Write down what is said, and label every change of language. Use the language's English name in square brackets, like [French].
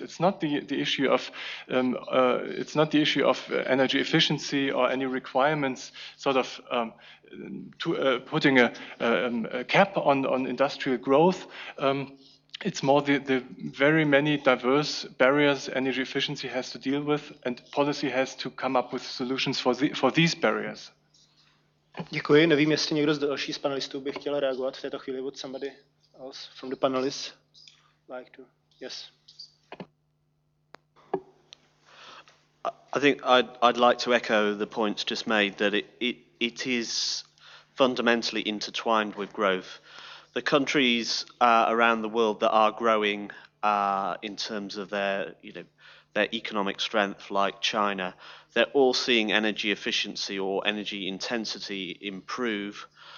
[English] It's not the issue of energy efficiency or any requirements sort of putting a cap on industrial growth. It's more the very many diverse barriers energy efficiency has to deal with, and policy has to come up with solutions for these barriers. [Czech] Děkuji. Nevím, jestli někdo z dalších z panelistů by chtěl reagovat v této chvíli. [English] Would somebody else from the panelists like to? Yes. I think I'd like to echo the points just made that it is fundamentally intertwined with growth. The countries around the world that are growing in terms of their, you know, their economic strength, like China, they're all seeing energy efficiency or energy intensity improve.